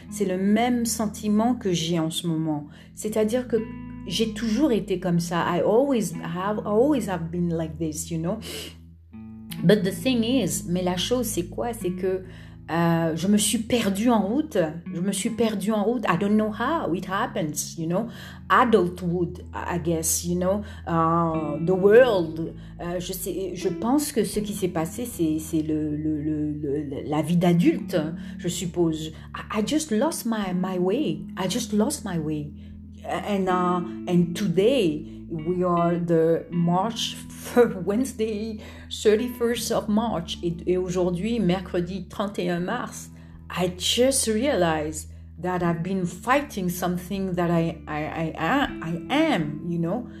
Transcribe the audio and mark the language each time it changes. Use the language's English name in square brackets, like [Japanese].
[French] C'est le même sentiment que j'ai en ce moment. C'est-à-dire que j'ai toujours été comme ça. [English] I always have been like this, you know. But the thing is, [French] mais la chose c'est quoi? C'est que je me suis perdue en route. Je me suis perdue en route. [English] I don't know how it happens, you know. Adulthood, I guess, you know. The world. [French] Je pense que ce qui s'est passé, c'est le la vie d'adulte, je suppose. [English] I just lost my way. And today we are the March for Wednesday, 31st of March. [French] Et aujourd'hui, mercredi 31 mars, [English] I just realized that I've been fighting something that I am, you know.